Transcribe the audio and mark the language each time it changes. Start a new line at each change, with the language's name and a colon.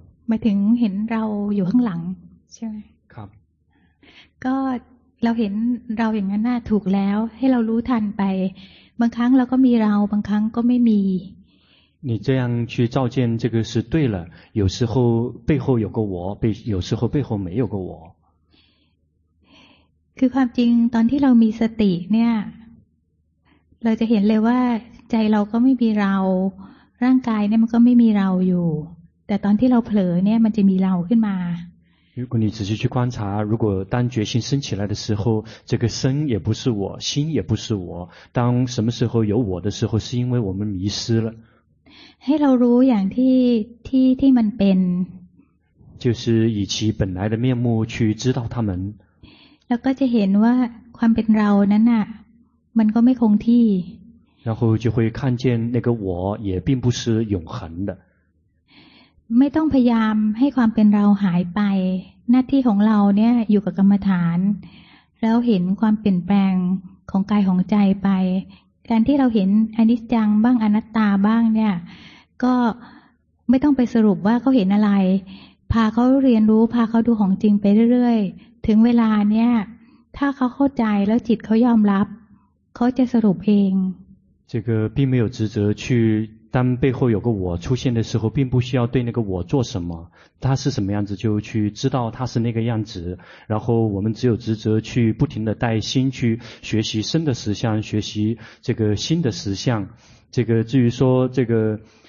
Thai: มาถึงเห็นเราอยู่ข้างหลังใช่ไหม ครับ ก็เราเห็นเราอย่างนั้นน่าถูกแล้วให้เรารู้ทันไปบางครั้งเราก็มีเราบางครั้งก็ไม่มี
Chinese: 你这样去照见这个是对了有时候背后有个我有时候背后没有个我
Thai: คือความจริงตอนที่เรามีสติเนี่ยเราจะเห็นเลยว่าใจเราก็ไม่มีเราร่างกายเนี่ยมันก็ไม่มีเราอยู่แต่ตอนที่เราเผลอเนี่ยมันจะมีเราขึ้นมา
Chinese: 如果你仔细去观察如果当决心升起来的时候这个身也不是我心也不是我当什么时候有我的时候是因为我们迷失了
Thai: ให้เรารู้อย่างที่มันเป็น
Chinese: 就是以其本来的面目去知道他们
Thai: แล้วก็จะเห็นว่าความเป็นเรานั้นน่ะมันก็ไม่คงที่
Chinese: 然后就会看见那个我也并不是永恒的
Thai: ไม่ต้องพยายามให้ความเป็นเราหายไปหน้าที่ของเราเนี่ยอยู่กับกรรมฐานแล้วเห็นความเปลี่ยนแปลงของกายของใจไปการที่เราเห็นอนิจจังบ้างอนัตตาบ้างเนี่ยก็ไม่ต้องไปสรุปว่าเขาเห็นอะไรพาเขาเรียนรู้พาเขาดูของจริงไปเรื่อยๆถึงเวลาเนี่ยถ้าเขาเข้าใจแล้วจิตเขายอมรับเขาจะสรุปเอง
Chinese: 这个并没有职责去当背后有个我出现的时候并不需要对那个我做什么他是什么样子就去知道他是那个样子然后我们只有职责去不停地带心去学习身的实相学习这个心的实相这个至于说这个